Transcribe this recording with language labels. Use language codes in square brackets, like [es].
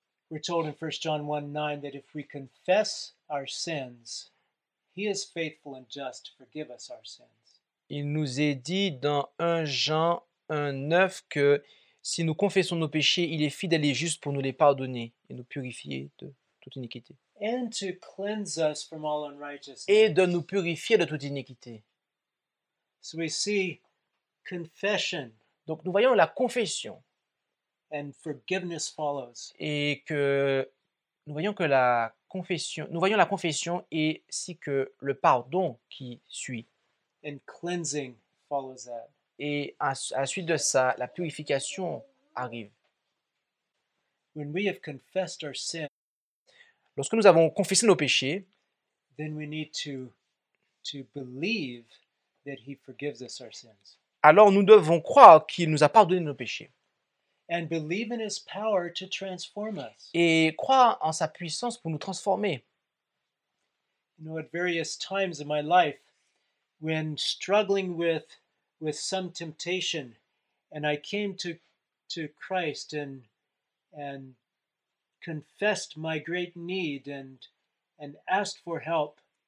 [en] We're told in 1 John 1:9 that if we confess our sins, he is faithful and just to forgive us our sins. [fr] Il nous est dit dans 1 Jean 1:9 que si nous confessons nos péchés, il est fidèle et juste pour nous les pardonner et nous purifier de toute iniquité. [en] And to cleanse us from all unrighteousness. [fr] Et de nous purifier de toute iniquité. [en] So we see confession. [fr] Donc nous voyons la confession. [en] And forgiveness follows. [fr] Et que nous voyons que la confession, nous voyons la confession et si que le pardon qui suit. [en] And cleansing follows that. [fr] Et à la suite de ça, la purification arrive. [en] When we have confessed our sin, [fr] lorsque nous avons confessé nos péchés, [en] then we need to believe that he forgives us our sins. [fr] Alors nous devons croire qu'il nous a pardonné nos péchés. [en] And believe in his power to transform us. [fr] Et croire en sa puissance pour nous transformer. [en] You know, at various times in my life, when struggling with some temptation, and I came to Christ and confessed my great need and asked for help.